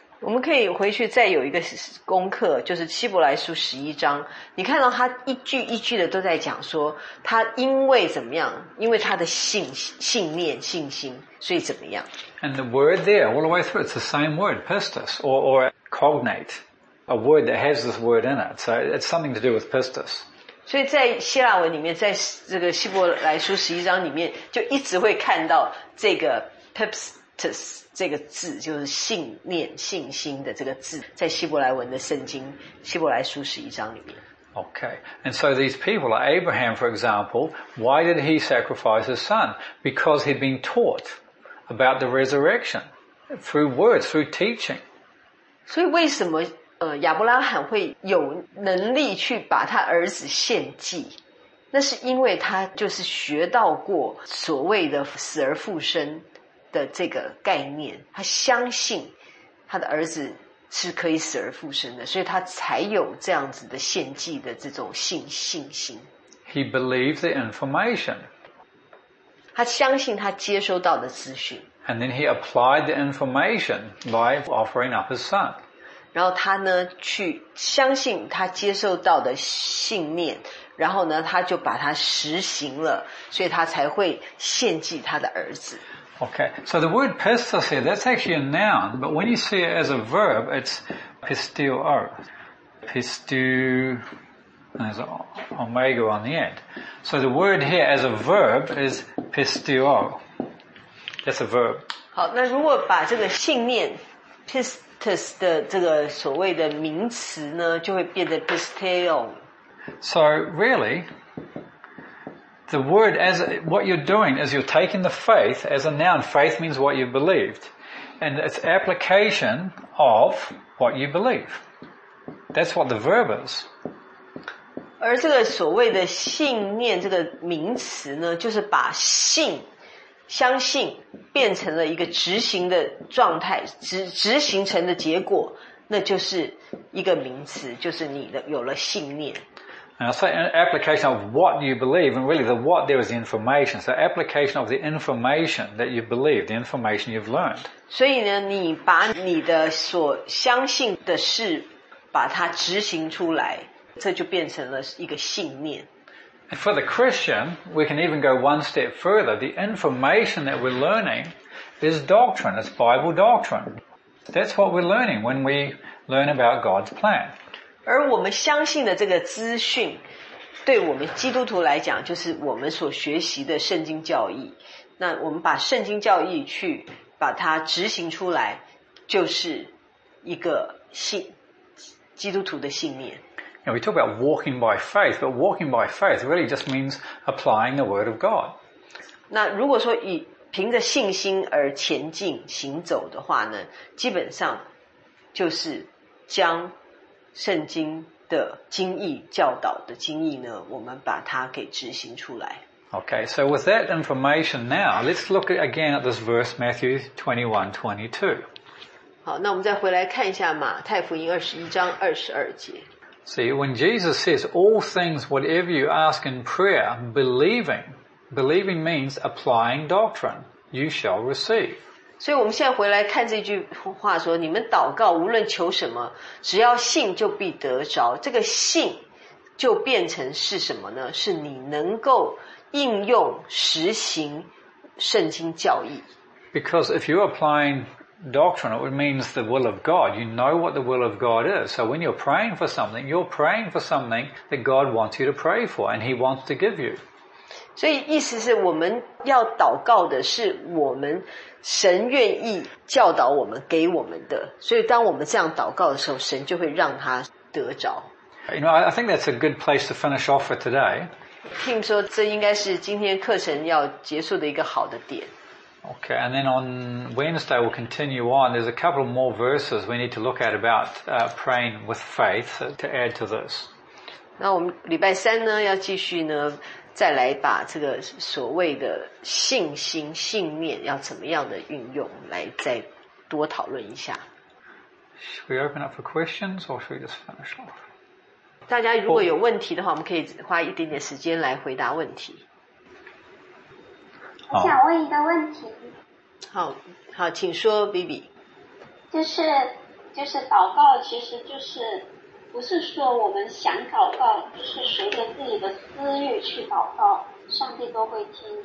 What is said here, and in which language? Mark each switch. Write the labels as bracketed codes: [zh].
[zh] 我们可以回去再有一个功课，就是希伯来书十一章。你看到他一句一句的都在讲说，他因为怎么样，因为他的信念、信心，所以怎么样。 [en] And the word there, all the way through, it's the same word, pistis, or cognate. A word that has this word in it. So it's something to do with pistis. [zh] 所以在希腊文里面，在这个希伯来书十一章里面，就一直会看到这个 pistis 这个字，就是信念、信心的这个字，在希伯来文的圣经希伯来书十一章里面。 [en] Okay. And so these people, like Abraham, for example, why did he sacrifice his son? Because he'd been taught about the resurrection through words, through teaching. [zh] 所以为什么亚伯拉罕会有能力去把他儿子献祭，那是因为他就是学到过所谓的死而复生的这个概念，他相信他的儿子是可以死而复生的，所以他才有这样子的献祭的这种信心。 [en] He believed the information. [zh] 他相信他接收到的资讯。 [en] And then he applied the information by offering up his son. [zh] 然后他呢去相信他接受到的信念，然后呢他就把它实行了，所以他才会献祭他的儿子。 [en] Okay, so the word pistis here, that's actually a noun, but when you see it as a verb, it's pistuo. Pistu, there's an omega on the end. So the word here as a verb is pistuo. That's a verb. [zh] 好，那如果把这个信念 pistuo的这个所谓的名词呢，就会变得 pistion。 [en] So really, the word as what you're doing is you're taking the faith as a noun. Faith means what you believed, and it's application of what you believe. That's what the verb is. [zh] 而这个所谓的信念这个名词呢，就是把信。相信变成了一个执行的状态，执行成的结果，那就是一个名词，就是你的有了信念。 [en] And I'll say an application of what you believe, and really the what there is the information. So application of the information that you believe, the information you've learned. [zh] 所以呢，你把你的所相信的事，把它执行出来，这就变成了一个信念。 [en] And for the Christian, we can even go one step further. The information that we're learning is doctrine. It's Bible doctrine. That's what we're learning when we learn about God's plan. [zh] 而我们相信的这个资讯，对我们基督徒来讲，就是我们所学习的圣经教义。那我们把圣经教义去把它执行出来，就是一个信基督徒的信念。 [en] Now, we talk about walking by faith, but walking by faith really just means applying the word of God. [zh] 那如果说以凭着信心而前进行走的话呢，基本上就是将圣经的经义教导的经义呢，我们把它给执行出来。 [en] Okay, so with that information now, let's look again at this verse, Matthew 21:22. [zh] 好，那我们再回来看一下马太福音21:22。 [en] See, when Jesus says, all things, whatever you ask in prayer, believing means applying doctrine, you shall receive. [zh] 所以我们现在回来看这句话说，你们祷告无论求什么，只要信就必得着。这个信就变成是什么呢？是你能够应用实行圣经教义。 [en] Because if you're applying doctrine, it means the will of God. You know what the will of God is. So when you're praying for something, you're praying for something that God wants you to pray for and He wants to give you. [zh] 所以意思是我们要祷告的是我们神愿意教导我们给我们的。所以当我们这样祷告的时候，神就会让他得着。 [en] You know, I think that's a good place to finish off for today. [zh] Tim 说这应该是今天课程要结束的一个好的点。 [en] Okay, and then on Wednesday we'll continue on. There's a couple more verses we need to look at about praying with faith to add to this. [zh] 那我们礼拜三呢要继续呢再来把这个所谓的信心信念要怎么样的运用来再多讨论一下。 [en] Should we open up for questions or should we just finish off? [zh] 大家如果有问题的话，我们可以花一点点时间来回答问题。我想问一个问题。好，好，请说 ，Bibi。就是祷告，其实就是不是说我们想祷告，就是随着自己的私欲去祷告，上帝都会听。